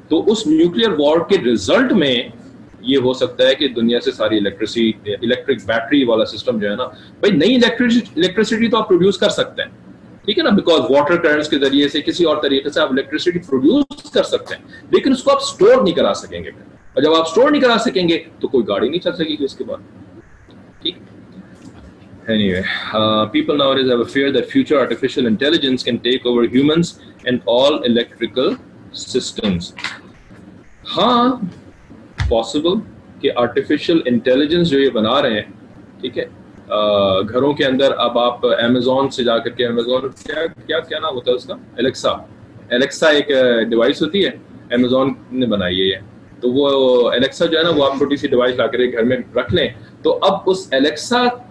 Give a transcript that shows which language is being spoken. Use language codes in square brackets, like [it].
[hi] तो उस nuclear war के रिजल्ट में ये हो सकता है कि दुनिया से सारी इलेक्ट्रिक बैटरी वाला सिस्टम जो है ना, भाई नई इलेक्ट्रिसिटी तो आप प्रोड्यूस कर सकते हैं, ठीक है ना, बिकॉज वाटर करंट्स के जरिए से किसी और तरीके से आप इलेक्ट्रिसिटी प्रोड्यूस कर सकते हैं, लेकिन उसको आप स्टोर नहीं करा सकेंगे, और जब आप स्टोर नहीं करा सकेंगे तो कोई गाड़ी नहीं चल सकेगी उसके बाद, ठीक. [en] Anyway, people nowadays have a fear that future artificial intelligence can take over humans and all electrical systems. [hi] हाँ, possible कि artificial intelligence जो ये बना रहे हैं, ठीक है, घरों के अंदर अब आप Amazon से जा करके, Amazon क्या क्या क्या नाम होता है उसका, Alexa, Alexa एक डिवाइस होती है, Amazon ने बनाई है, तो वो Alexa जो है ना, वो आप छोटी सी डिवाइस लाकर घर में रख लें, तो अब उस Alexa